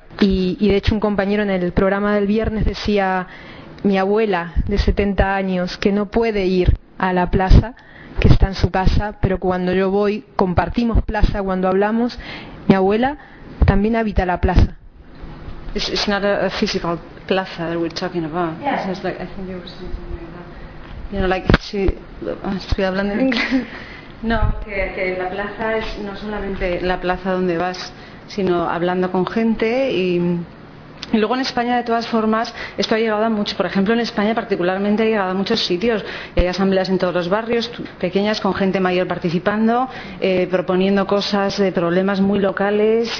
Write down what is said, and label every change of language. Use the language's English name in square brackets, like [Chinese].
[Spanish] Y de hecho un compañero en el programa del viernes decía, mi abuela de 70 años que no puede ir a la plaza, que está en su casa, pero cuando yo voy, compartimos plaza, cuando hablamos, mi abuela también habita la plaza. [English] It's not a physical plaza that we're talking about. Yeah. It's like, I think it was something like that. You know, like [Spanish] estoy hablando en inglés. No, que la plaza es no solamente la plaza donde vas, sino hablando con gente. Y luego en España, de todas formas, esto ha llegado a mucho. Por ejemplo, en España particularmente ha llegado a muchos sitios. Hay asambleas en todos los barrios, pequeñas, con gente mayor participando, proponiendo cosas de problemas muy locales.